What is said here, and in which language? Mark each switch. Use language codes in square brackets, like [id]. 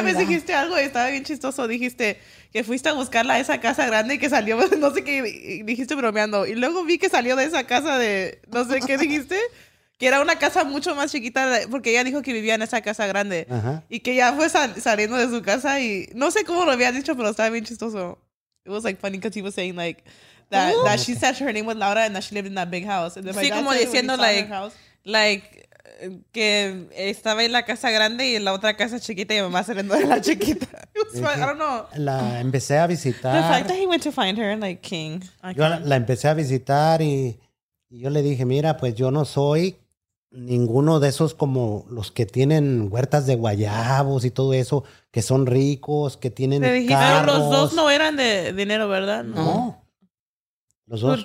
[es] Una vez dijiste algo y estaba bien chistoso. Dijiste que fuiste a buscarla a esa casa grande y que salió, no sé qué, dijiste bromeando. Y luego vi que salió de esa casa de, no sé qué dijiste, que era una casa mucho más chiquita, porque ella dijo que vivía en esa casa grande. Ajá. Y que ya fue saliendo de su casa y no sé cómo lo había dicho, pero estaba bien chistoso. [en] It was like funny because he was saying like, that she said her name was Laura and that she lived in that big house. And [es] sí, como diciendo like, que estaba en la casa grande y en la otra casa chiquita y mi mamá saliendo de la chiquita. [en] I don't know. [es] La empecé a visitar. [en] The fact that he went to find her, like, king. [es] Yo la empecé a visitar y yo le dije, mira, pues yo no soy ninguno de esos como los que tienen huertas de guayabos y todo eso, que son ricos, que tienen carros. Pero los dos no eran de dinero, ¿verdad? No. Los dos.